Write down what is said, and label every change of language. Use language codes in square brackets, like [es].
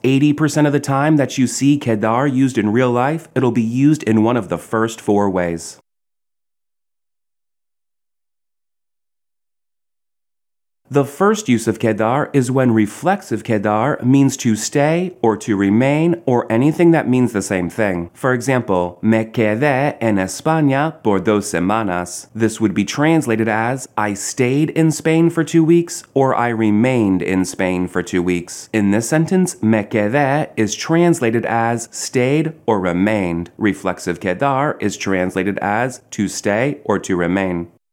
[en] 80% of the time that you see quedar used in real life, it'll be used in one of the first 4 ways. The first use of quedar is when reflexive quedar means to stay or to remain or anything that means the same thing. For example, [es] me quedé en España por 2 semanas. [en] This would be translated as, I stayed in Spain for 2 weeks or I remained in Spain for 2 weeks. In this sentence, me quedé is translated as stayed or remained. Reflexive quedar is translated as to stay or to remain.